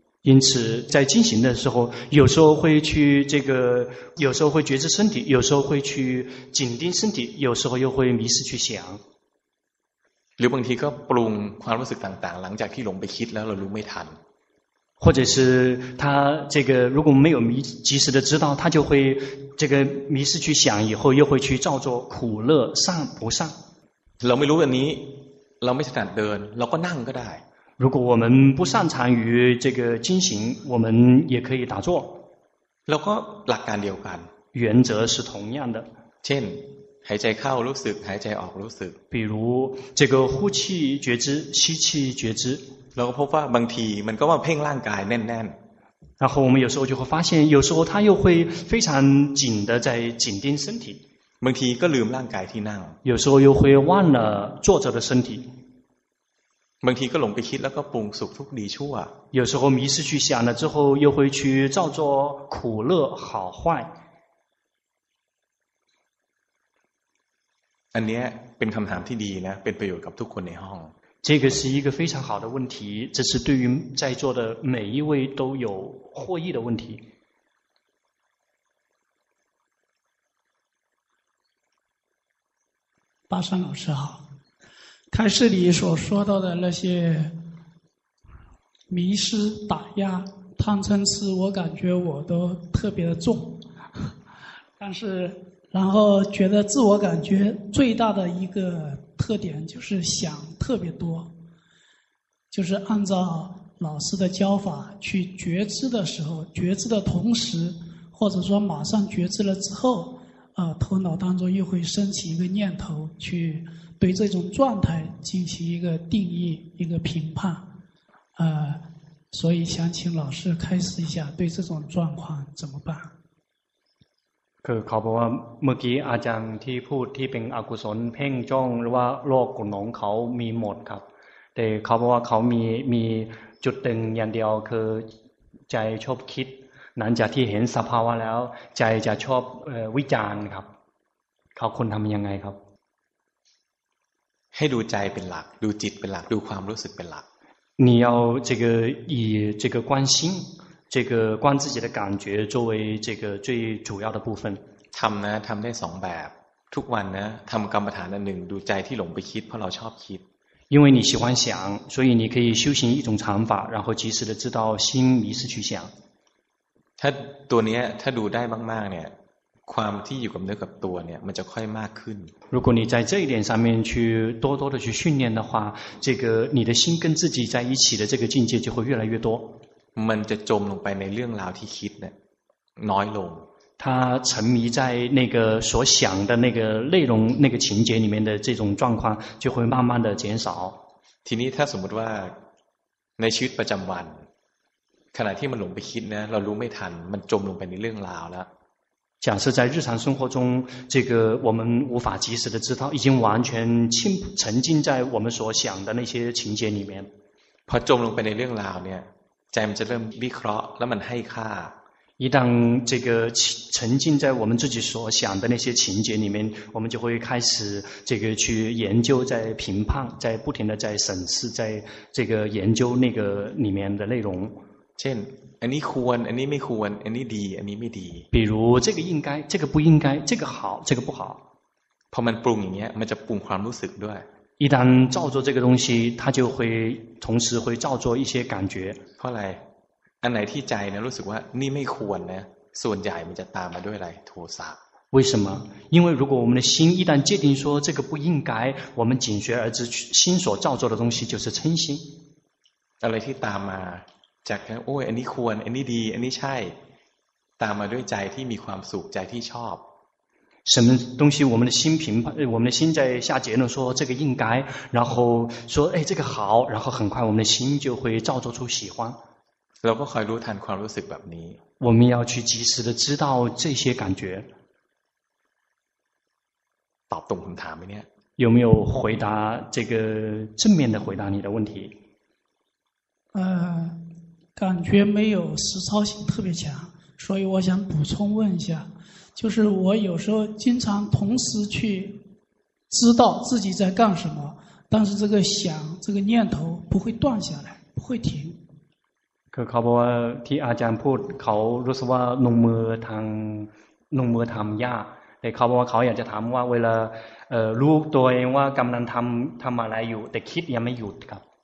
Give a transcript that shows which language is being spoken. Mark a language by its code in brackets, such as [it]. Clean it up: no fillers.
[zh] 因此在进行的时候有时候会去这个有时候会觉知身体有时候会去紧盯身体有时候又会迷失去想 [th] หรือบางทีก็ปรุงความรู้สึกต่างๆหลังจากที่หลงไปคิดแล้วเรารู้ไม่ทัน [zh] 或者是他这个如果没有及时的知道他就会这个迷失去想以后又会去造作苦乐善不善 [th] เราไม่รู้แบบนี้เราไม่สามารถเดินเราก็นั่งก็ได้ [zh] 如果我们不擅长于这个进行我们也可以打坐 [th] เราก็หลักการเดียวกัน [zh] 原则是同样的 [th] เช่นหายใจเข้ารู้สึกหายใจออกรู้สึก [zh] 比如这个呼气觉知吸气觉知 [th] เราก็พบว่าบางทีมันก็มาเพ่งร่างกายแน่นๆ [zh] 然后我们有时候就会发现有时候他又会非常紧的在紧盯身体 [th] บางทีก็ลืมร่างกายที่นั่ง [zh] 有时候又会忘了坐着的身体 [th] บางทีก็หลงไปคิดแล้วก็ปรุงสุขทุกข์ดีชั่ว [zh] 有时候迷失去想了之后又会去造作苦乐好坏 [th] อันนี้เป็นคำถามที่ดีนะเป็นประโยชน์กับทุกคนในห้อง [zh] 这个是一个非常好的问题，这是对于在座的每一位都有获益的问题。巴山老师好，开示里所说到的那些迷失、打压、贪嗔痴，我感觉我都特别的重，但是然后觉得自我感觉最大的一个特点就是想特别多，就是按照老师的教法去觉知的时候，觉知的同时，或者说马上觉知了之后，头脑当中又会升起一个念头，去对这种状态进行一个定义、一个评判，所以想请老师开示一下，对这种状况怎么办？ [th] คือเขาบอกว่าเมื่อกี้อาจารย์ที่พูดที่เป็นอกุศลเพ่งจ้องหรือว่าโลกกุหนงเขามีหมดครับแต่เขาบอกว่าเขามีจุดตึงอย่างเดียวคือใจชอบคิดหลังจากที่เห็นสภาวะแล้วใจจะชอบวิจารณ์ครับเขาควรทำยังไงครับ ให้ดูใจเป็นหลักดูจิตเป็นหลักดูความรู้สึกเป็นหลัก [zh] 你要这个以这个关心这个观自己的感觉作为这个最主要的部分 [th] ทำนะทำได้สองแบบทุกวันนะทำกรรมฐานอันหนึ่งดูใจที่หลงไปคิดเพราะเราชอบคิด [zh] 因为你喜欢想所以你可以修行一种禅法然后及时的知道心迷失去想 [th] ถ้าตัวนี้ถ้าดูได้มากๆเนี่ยความที่อยู่กับเนื้อกับตัวเนี่ยมันจะค่อยมากขึ้น [zh] 如果你在这一点上面去多多的去训练的话这个你的心跟自己在一起的这个境界就会越来越多 [th] มันจะจมลงไปในเรื่องราวที่คิดเนี่ยน้อยลง [zh] 他沉迷在那个所想的那个内容那个情节里面的这种状况就会慢慢的减少 [th] ทีนี้ถ้าสมมติว่าในชีวิตประจำวันขณะที่มันหลงไปคิดนะเรารู้ไม่ทันมันจมลงไปในเรื่องราวแล้ว [zh] 假设在日常生活中这个我们无法及时的知道已经完全沉浸在我们所想的那些情节里面 [th] พอจมลงไปในเรื่องราวเนี่ยใจมันจะเริ่มวิเคราะห์แล้วมันให้ค่า [zh] 一旦这个沉浸在我们自己所想的那些情节里面，我们就会开始这个去研究，在评判，在不停的在审视，在这个研究那个里面的内容。 [th] 见安尼ควร安尼ไม่ควร安尼ดี安尼ไม่ดี [zh] 比如这个应该这个不应该这个好这个不好 [th] พอมันปรุงอย่างเงี้ยมันจะปรุงความรู้สึกด้วย [zh] 一旦照做这个东西它就会同时会照做一些感觉 [th] เพราะอะไรอันไหนที่ใจนะรู้สึกว่านี่ไม่ควรนะส่วนใหญ่มันจะตามมาด้วยอะไรโทสะ [zh] 为什么因为如果我们的心一旦界定说这个不应该我们紧随而至心所造作的东西就是嗔心 [th] อะไรที่ตามมาจากโอ้ยอันนี้ควรอันนี้ดีอันนี้ใช่ตามมาด้วยใจที่มีความสุขใจที่ชอบ [zh] 什么东西我们的心评判我们的心在下结论说这个应该然后说哎这个好然后很快我们的心就会造作出喜欢 [th] เราก็คอยรู้ทันความรู้สึกแบบนี้ [zh] 我们要去及时的知道这些感觉 [th] ตอบตรงคำถามไหมเนี่ย [zh] 有没有回答这个正面的回答你的问题感觉没有实操性特别强所以我想补充问一下就是我有时候经常同时去知道自己在干什么但是这个想这个念头不会断下来不会停 [th] คือเขาบอกว่าที่อาจารย์พูดเขารู้สึกว่าลงมือทางลงมือทำยากแต่เขาบอกว่าเขาอยากจะถามว่าเวลาเออรู้ตัวเองว่ากำลังทำอะไรอยู่แต่คิดยังไม่หยุดครับ